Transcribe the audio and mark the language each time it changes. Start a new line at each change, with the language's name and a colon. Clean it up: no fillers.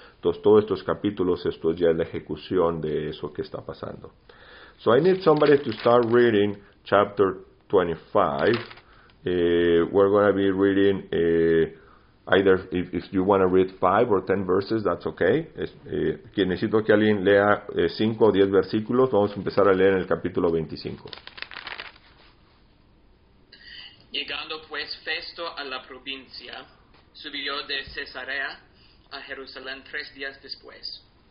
Spanish: Entonces, todos estos capítulos, esto es ya la ejecución de eso que está pasando.
English: So, I need somebody to start reading chapter 25. We're going to be reading either if you want to read 5 or 10 verses, that's okay.
Spanish: Que necesito que alguien lea 5 o 10 versículos. Vamos a empezar a leer en el capítulo 25. Llegando pues Festo a la provincia, subió de Cesarea a Jerusalén 3 días después.